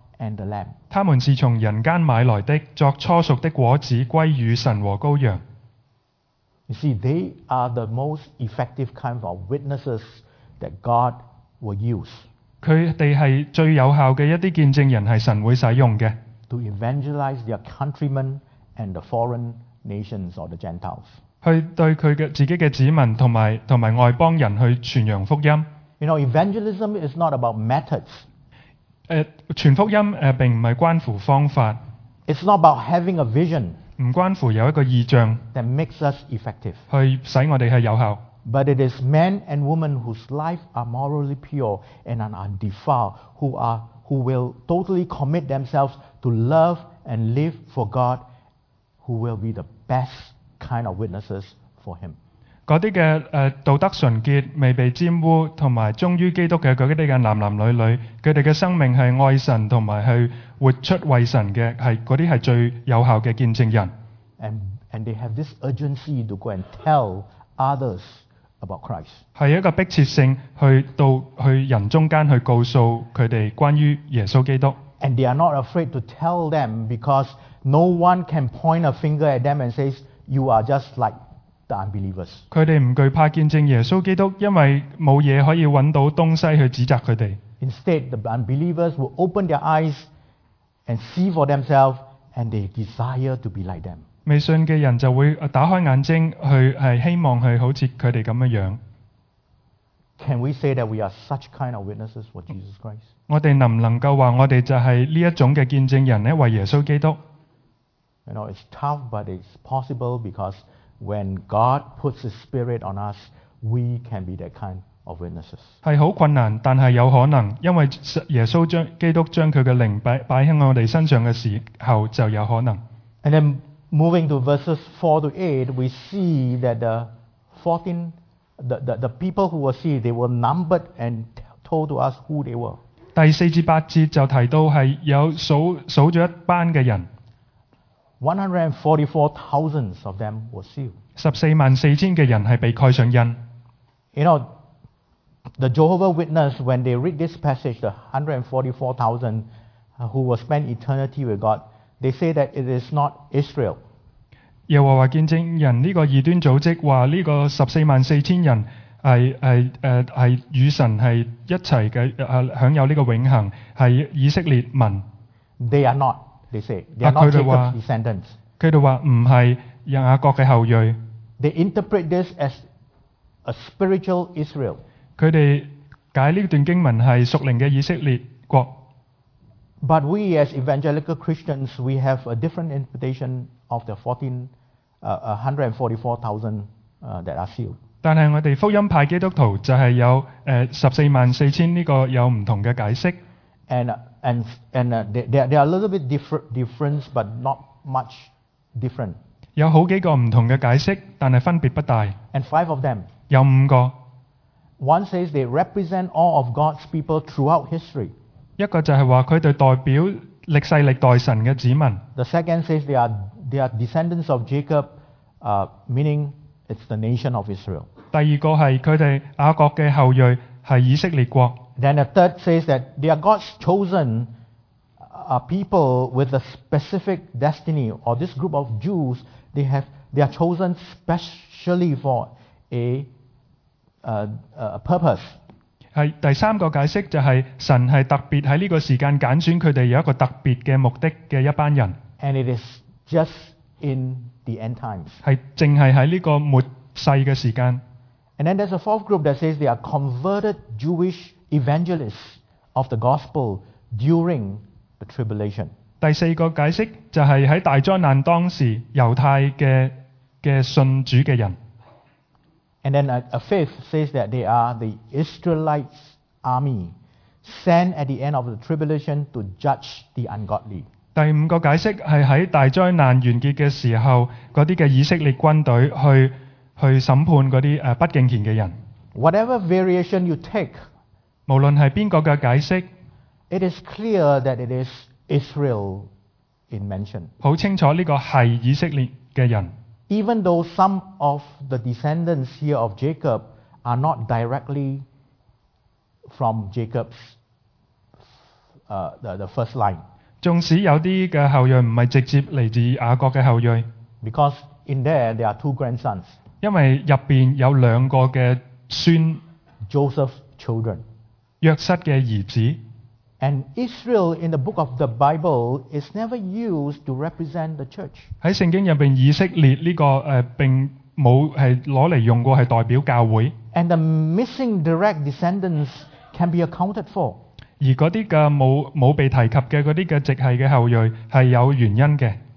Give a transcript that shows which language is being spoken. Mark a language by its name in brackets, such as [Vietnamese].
[English] And the Lamb. [Chinese] 他们是从人间买来的，作初熟的果子归与神和羔羊。 [English] You see, they are the most effective kind of witnesses that God will use. [Chinese] 他们是最有效的一些见证人，是神会使用的。 [English] To evangelize their countrymen and the foreign nations or the Gentiles. [Chinese] 去对他的自己的子民和外邦人去传扬福音。 [English] You know, evangelism is not about methods. [Chinese] 传福音并不是关乎方法。 [English] It's not about having a vision. [Chinese] 不关乎有一个意象。 [English] That makes us effective. [Chinese] 去使我们是有效。 [English] But it is men and women whose life are morally pure and undefiled who will totally commit themselves to love and live for God who will be the best kind of witnesses for Him. [Chinese] 那些的道德纯洁、未被玷污和忠于基督的那些的男男女女，他们的生命是爱神和是活出为神的，那些是最有效的见证人。 [English] And they have this urgency to go and tell others about Christ. [Chinese] 是一个迫切性去人中间去告诉他们关于耶稣基督。 [English] And they are not afraid to tell them because no one can point a finger at them and says, "You are just like unbelievers." [Chinese] 他们不惧怕见证耶稣基督，因为没有东西可以找到东西去指责他们。 [English] Instead, the unbelievers will open their eyes and see for themselves and they desire to be like them. [Chinese] 未信的人就会打开眼睛去希望去好像他们这样。 [English] Can we say that we are such kind of witnesses for Jesus Christ? [Chinese] 我们能不能够说我们就是这一种的见证人呢，为耶稣基督？ [English] You know, it's tough, but it's possible becauseWhen God puts His Spirit on us, we can be that kind of witnesses. [Chinese] 是很困难，但是有可能，因为耶稣基督将他的灵摆在我们身上的时候，就有可能。 [English] And then moving to verses 4-8, we see that the people who were sealed, they were numbered and told to us who they were. [Chinese] 第四至八节就提到是有数了一班的人。 [English] 144,000 of them were sealed. [Chinese] 144,000的人是被盖上印。 [English] You know, The Jehovah's Witness, when they read this passage, the 144,000 who will spend eternity with God, they say that it is not Israel. [Chinese] 耶和華見證人這個異端組織說這個144,000人是與神是一起的，享有這個永恆，是以色列民。 [English] They are not, they say. They are not Jacob's descendants. [Chinese] 他們說不是雅各的後裔。 [English] They interpret this as a spiritual Israel. [Chinese] 他們解這段經文是屬靈的以色列國。 [English] But we as evangelical Christians, we have a different interpretation of the 144,000 that are sealed. [Chinese] 但是我們福音派基督徒就是有144,000這個有不同的解釋。 [English] And they are a little bit different, but not much different. [Chinese] 有好幾個不同的解釋，但是分別不大。 [English] And five of them. [Chinese] 有五個。 [English] One says they represent all of God's people throughout history. [Chinese] 一個就是說他們代表歷世歷代神的子民。 [English] The second says they are descendants of Jacob, meaning it's the nation of Israel. [Chinese] 第二個是他們雅各的後裔，是以色列國。 [English] Then the third says that they are God's chosen people with a specific destiny, or this group of Jews, they are chosen specially for a purpose. [Chinese] 是第三個解釋，就是神是特別在這個時間揀選他們有一個特別的目的的一班人。 [English] And it is just in the end times. [Chinese] 是正是在這個末世的時間。 [English] And then there's a fourth group that says they are converted Jewish evangelists of the gospel during the tribulation. [Chinese] 第四個解釋就是在大災難當時猶太的信主的人。 [English] And then a fifth says that they are the Israelites' army sent at the end of the tribulation to judge the ungodly. [Chinese] 第五個解釋是在大災難完結的時候，那些以色列軍隊去審判那些不敬虔的人。 [English] Whatever variation you take, [Chinese] 無論是誰的解釋， [English] it is clear that it is Israel in mention. [Chinese] 很清楚這個是以色列的人。 [English] Even though some of the descendants here of Jacob are not directly from Jacob's the first line. [Chinese] 縱使有些後裔不是直接來自雅各的後裔。 [English] Because in there are two grandsons. [Chinese] 因為裡面有兩個的孫。 [English] Joseph's children. [Chinese] 約瑟的兒子。 [English] And Israel in the book of the Bible is never used to represent the church. [Chinese] 在聖經裡面，以色列這個並沒有是拿來用過是代表教會。 [English] And the missing direct descendants can be accounted for. [Chinese] 而那些的沒有被提及的那些的直系的後裔是有原因的。